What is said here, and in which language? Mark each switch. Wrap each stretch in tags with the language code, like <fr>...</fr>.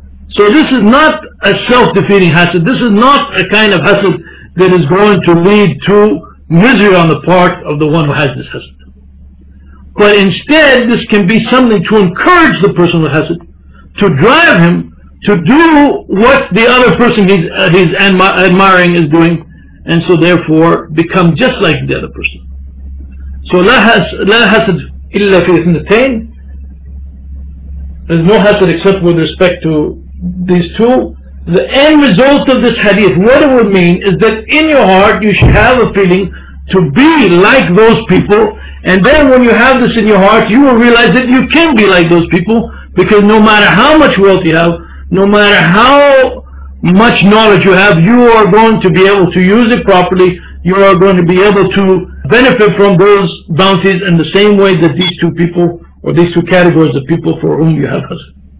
<en>So this is not a self-defeating hasad. This is not a kind of hasad that is going to lead to misery on the part of the one who has this hasad. But instead, this can be something to encourage the person who has it, to drive him to do what the other person he's admiring is doing, and so therefore become just like the other person.</en> <ar>So لا حسد إلا في اثنتين.</ar> <en>There's no hasad except with respect to these two. The end result of this hadith, what it would mean, is that in your heart you should have a feeling to be like those people, and then when you have this in your heart, you will realize that you can be like those people, because no matter how much wealth you have, no matter how much knowledge you have, you are going to be able to use it properly, you are going to be able to benefit from those bounties in the same way that these two people, or these two categories of people for whom you have hasad.</en>